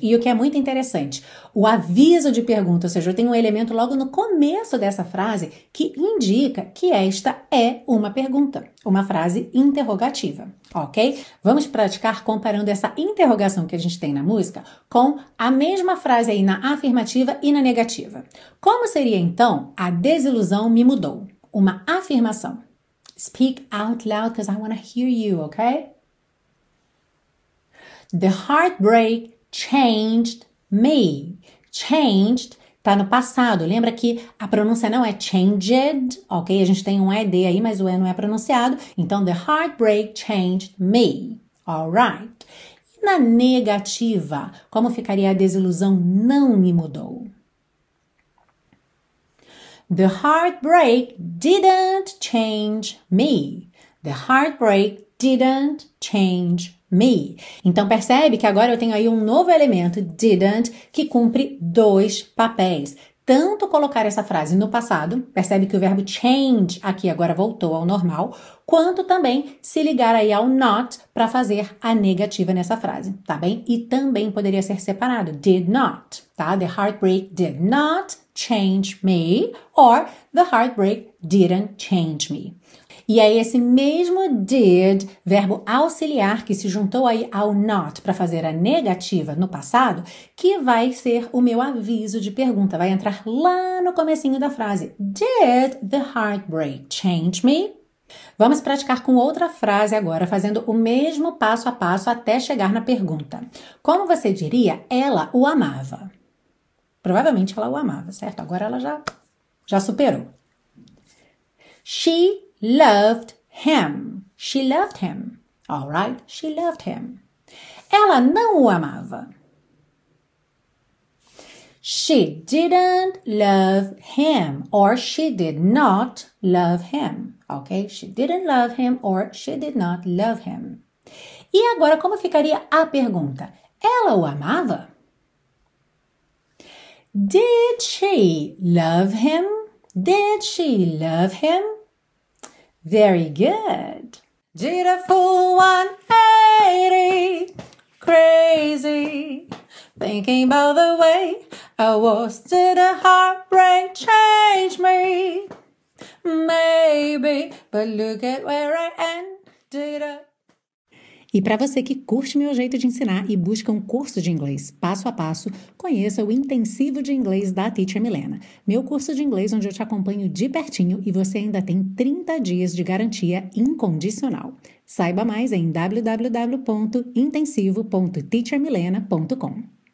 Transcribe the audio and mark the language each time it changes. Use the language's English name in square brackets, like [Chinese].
[Portuguese] E o que é muito interessante, o aviso de pergunta, ou seja, eu tenho um elemento logo no começo dessa frase que indica que esta é uma pergunta, uma frase interrogativa, ok? Vamos praticar comparando essa interrogação que a gente tem na música com a mesma frase aí na afirmativa e na negativa. Como seria, então, a desilusão me mudou? Uma afirmação. [English] Speak out loud because I want to hear you, okay? The heartbreak changed me. [Portuguese] Changed, tá no passado. Lembra que a pronúncia não é changed, ok? A gente tem um ed aí, mas o e não é pronunciado. [English] Então, the heartbreak changed me. All right. [Portuguese] E na negativa, como ficaria a desilusão não me mudou? [English] The heartbreak didn't change me. The heartbreak didn't change me. [Portuguese] Então percebe que agora eu tenho aí um novo elemento, didn't, que cumpre dois papéis. Tanto colocar essa frase no passado, percebe que o verbo change aqui agora voltou ao normal, quanto também se ligar aí ao not para fazer a negativa nessa frase, tá bem? E também poderia ser separado, [English] did not, [Portuguese] tá? [English] The heartbreak did not change me, or the heartbreak didn't change me. [Portuguese] E aí esse mesmo did, verbo auxiliar que se juntou aí ao not para fazer a negativa no passado, que vai ser o meu aviso de pergunta, vai entrar lá no comecinho da frase. [English] Did the heartbreak change me? [Portuguese] Vamos praticar com outra frase agora, fazendo o mesmo passo a passo até chegar na pergunta. Como você diria, ela o amava? Provavelmente ela o amava, certo? Agora ela já superou. [English] She loved him. She loved him. All right? She loved him. [Portuguese] Ela não o amava. [English] She didn't love him. Or she did not love him. Ok? She didn't love him or she did not love him. [Portuguese] E agora, como ficaria a pergunta? Ela o amava? [English] Did she love him? Did she love him? Very good. Did a fool 180 crazy thinking about the way I was? Did a heartbreak change me? Maybe, but look at where I ended up. [Portuguese] E para você que curte meu jeito de ensinar e busca um curso de inglês passo a passo, conheça o Intensivo de Inglês da Teacher Milena. Meu curso de inglês onde eu te acompanho de pertinho e você ainda tem 30 dias de garantia incondicional. Saiba mais em www.intensivo.teachermilena.com.